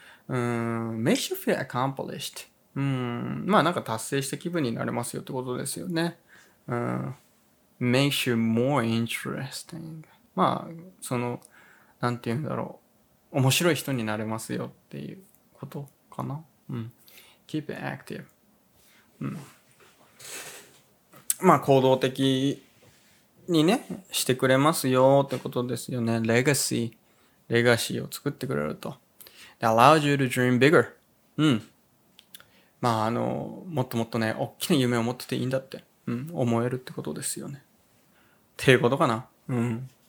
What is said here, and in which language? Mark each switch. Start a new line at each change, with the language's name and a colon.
English: Makes you feel accomplished、
Japanese: うん、まあなんか達成した気分になれますよってことですよね。
English: Makes you more interesting、
Japanese: まあそのなんていうんだろう、面白い人になれますよっていうことかな。うん。
English: Keep it active。うん。
Japanese: まあ行動的にねしてくれますよってことですよね。レガシーを作ってくれると。
English: Allows you to dream bigger。 うん。
Japanese: まああのもっともっとね大きな夢を持ってていいんだって、うん、思えるってことですよね。っていうことかな。うん。